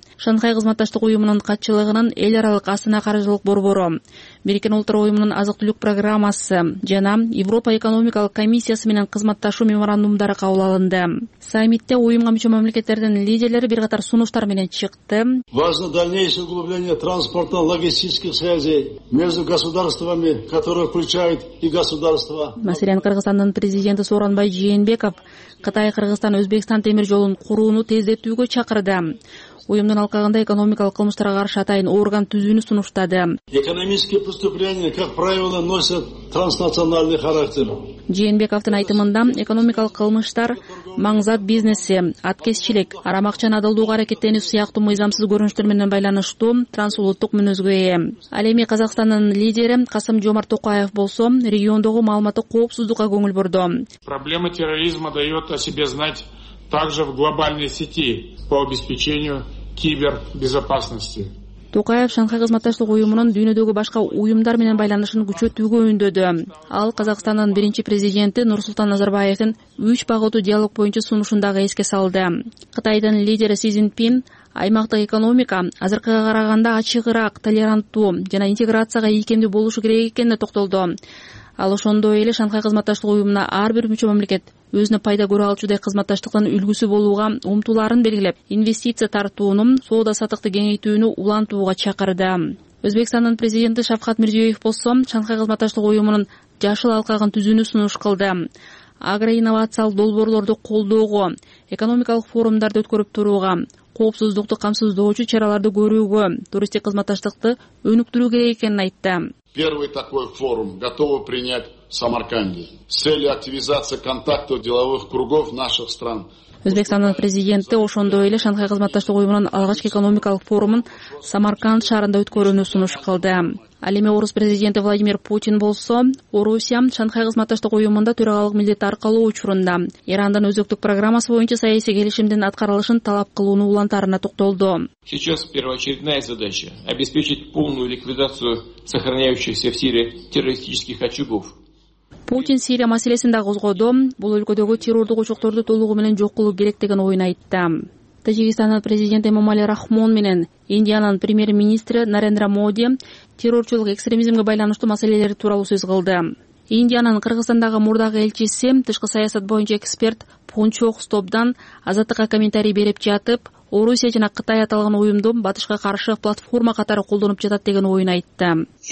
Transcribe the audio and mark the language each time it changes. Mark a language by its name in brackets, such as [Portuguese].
[Kyrgyz] Шанхай кызматташтык уюмунун катчылыгынын эл аралык астана каржылык борбору, Бириккен Улуттар Уюмунун азык-түлүк программасы жана Европа экономикалык комиссиясы менен кызматташуу меморандумдары кабыл алынды. Саммитте уюмга мүчө мамлекеттердин лидерлери бир катар сунуштар менен чыкты. [Russian] Важно дальнейшее углубление транспортно-логистических связей между государствами, которые включают и государства. [Kyrgyz] Маселен, Кыргызстандын президенти Сооронбай Жээнбеков Кытай Кыргызстан Өзбекстан темир жолун курууну тездетүүгө чакырды. Уюмдун алкагында экономикалык кылмыштарга каршы атайын орган түзүүнү сунуштады. [Russian] Экономические преступления, как правило, носят транснациональный характер. [Kyrgyz] Жээнбековдун айтымында экономикалык кылмыштар маңзат бизнеси, аткезчилик, арамакчан адылдууга аракеттенүү сыяктуу мыйзамсыз көрүнүштөр менен байланыштуу трансулуттук мүнөзгө ээ. Ал эми Казакстандын лидери Касым Жомарт Токаев болсо, региондогу маалыматтык коопсуздукка көңүл бурду. [Russian] Проблема терроризма дает о себе знать также в глобальной сети по обеспечению кибербезопасности. [Kyrgyz] Токаев Шанхай кызматташтык уюмунун дүйнөдөгү башка уюмдар менен байланышын күчөтүүгө үндөдү. Ал Казакстандын биринчи президенти Нурсултан Назарбаевдин 3 багыттуу диалог боюнча сунушун дагы эске салды. Кытайдын лидери Си Цзиньпин аймактык экономика азыркыга караганда ачыгыраак, толеранттуу жана интеграцияга ийкемдүү болушу керек экенине токтолду. Ал ошондой эле Шанхай кызматташтык уюмуна ар бир мүчө мамлекет өзүнө пайда көрө алчудай кызматташтыктын үлгүсү болууга умтууларын белгилеп, инвестиция тартууну, соода сатыкты кеңейтүүнү улантууга чакырды. Өзбекстандын президенти Шавкат Мирзиёев болсо Шанхай кызматташтык уюмунун жашыл алкагын түзүүнү сунуш кылды. Агроинновациялык долбоорлорду колдоого, экономикалык форумдарды өткөрүп турууга, коопсуздукту камсыздоочу чараларды көрүүгө, туристтик кызматташтыкты өнүктүрүү керек экенин айтты. [Russian] Первый такой форум готовы принять в Самарканде с целью активизации контактов деловых кругов наших стран. [Kyrgyz] Өзбекстандын президенти ошондой эле Шанхай кызматташтык уюмунун алгач экономикалык форумун Самарканд шаарында өткөрүүнү сунуш кылды. Ал эми орус президенти Владимир Путин болсо, Орусия Шанхай кызматташтык уюмунда төрагалык милдети аркылуу учурунда Ирандын өзөктүк программасы боюнча саясий келишимдин аткарылышын талап кылууну улантарына токтолду. [Russian] Сейчас первоочередная задача обеспечить полную ликвидацию сохраняющихся в Сирии террористических очагов. [Kyrgyz] Путин Сирия маселесин да козгоду, бул өлкөдөгү террордук очокторду толугу менен жок кылуу керек деген оюн айтты. Тажикстандын президенти Эмомали Рахмон менен Индиянын премьер-министри Нарендра Моди террорчулук экстремизмге байланыштуу маселелери тууралуу сөз кылды. Индиянын Кыргызстандагы мурдагы элчиси, тышкы саясат боюнча эксперт Пунчок Стопдан азаттыкка комментарий берип жатып, Орусия жана Кытай аталган уюмду батышка каршы платформа катары колдонуп жатат деген оюн айтты.